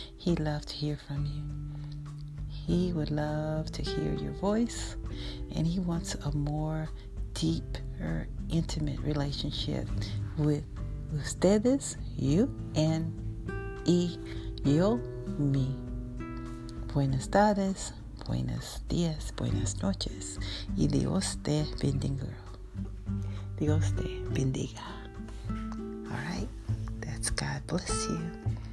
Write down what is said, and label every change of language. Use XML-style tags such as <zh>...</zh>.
<en>He'd love to hear from you. He would love to hear your voice, and he wants a more deep, intimate relationship with ustedes, you, and yo, me.</en> <es>Buenas tardes, buenos días, buenas noches, y Dios te bendiga. Dios te bendiga.</es> <en>All right, that's God bless you.</en>